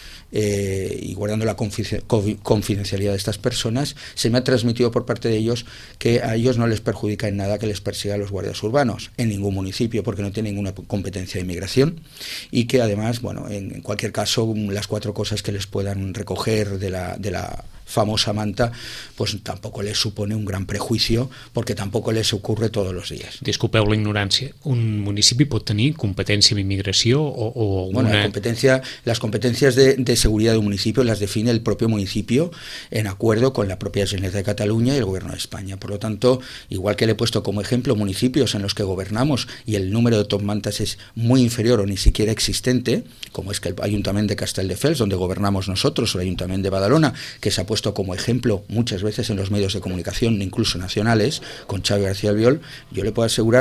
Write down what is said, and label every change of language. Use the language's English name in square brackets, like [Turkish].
[Spanish] y guardando la confidencialidad de estas personas, se me ha transmitido por parte de ellos que a ellos no les perjudica en nada que les persigan los guardias urbanos en ningún municipio porque no tienen ninguna competencia de inmigración y que además, bueno, en cualquier caso, las 4 cosas que les puedan recoger de la famosa manta, pues tampoco les supone un gran prejuicio porque tampoco les ocurre todos los días. [Catalan] Disculpeu la ignorancia, ¿un municipi pot tenir competència en immigració o una...? [Spanish] Bueno, las competencias de seguridad de un municipio las define el propio municipio en acuerdo con la propia Generalitat de Cataluña y el gobierno de España. Por lo tanto, igual que le he puesto como ejemplo municipios en los que gobernamos y el número de top mantas es muy inferior o ni siquiera existente, como es que el Ayuntamiento de Castelldefels, donde gobernamos nosotros, o el Ayuntamiento de Badalona, que es ha puesto como ejemplo muchas veces en los medios de comunicación, incluso nacionales, con Xavi García Albiol, yo le puedo asegurar...